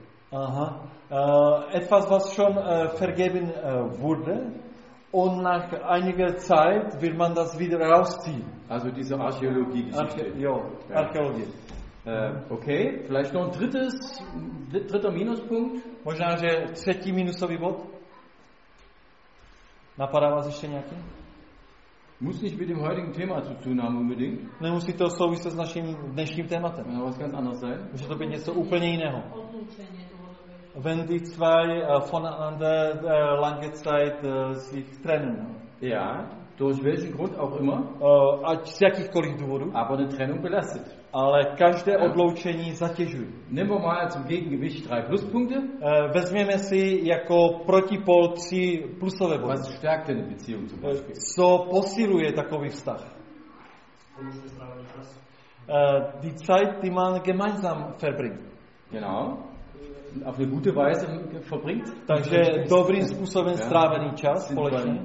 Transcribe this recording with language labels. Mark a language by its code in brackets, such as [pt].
[de] Aha, etwas, was schon vergeben wurde. Und nach einiger Zeit wird man das wieder rausziehen. Also diese Archäologie. Archäologie. Okay, vielleicht noch ein dritter Minuspunkt. [cs] Možná, že třetí minusový bod. Napadá vás ještě nějaký? [de] Muss nicht mit dem heutigen Thema zu tun haben unbedingt. [cs] Nemusí to souviset s naším dnešním tématem. Může to být [de] ganz anders sein. [cs] Může to být něco úplně jiného. [de] Wenn die zwei voneinander lange Zeit sich trennen. Ja, durch welchen Grund auch immer. [cs] Ať z jakýchkoliv důvodů. [de] Aber eine Trennung belastet. [cs] Ale každé odloučení zatěžuje. [de] Nehmen wir mal zum Gegengewicht 3 Pluspunkte. [cs] Vezměme si jako protipol 3 plusové body. [de] Was stärkt eine Beziehung zum Beispiel? [cs] Co posiluje takový vztah? [de] Die Zeit, die man gemeinsam verbringt. Genau. Auf eine gute Weise verbringt. [cs] Takže dobrým způsobem strávený čas společně.